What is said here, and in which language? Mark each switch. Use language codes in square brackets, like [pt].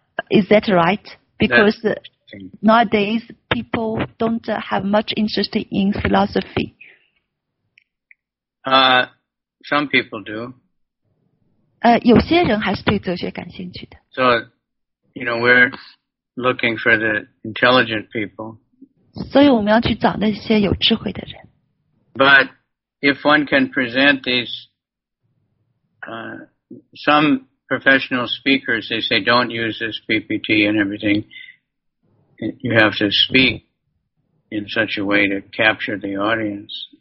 [en] Is that right? Because nowadays people don't have much interest in philosophy. Some people do. [zh] 有些人还是对哲学感兴趣的。 [en] So, you know, we're looking for the intelligent people. [zh] 所以我们要去找那些有智慧的人。 [en] But if one can present these, some professional speakers, they say don't use this PPT and everything. You have to speak in such a way to capture the audience.